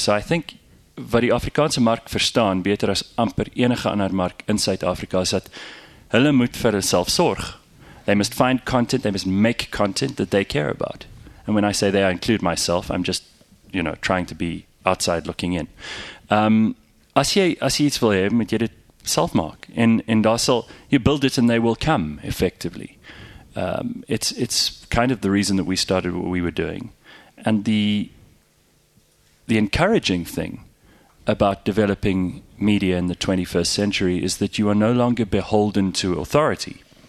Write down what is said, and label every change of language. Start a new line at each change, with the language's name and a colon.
Afrikaans: So I think wat die Afrikaanse mark verstaan beter as amper enige ander mark in Suid-Afrika is dat hulle moet vir hulself sorg.
English: They must find content, they must make content that they care about. And when I say they, I include myself. I'm just, you know, trying to be outside looking in.
Afrikaans: As jy iets wil hê, moet jy dit self maak. En daar sal,
English: you build it and they will come, effectively. It's kind of the reason that we started what we were doing. And the encouraging thing about developing media in the 21st century is that you are no longer beholden to authority.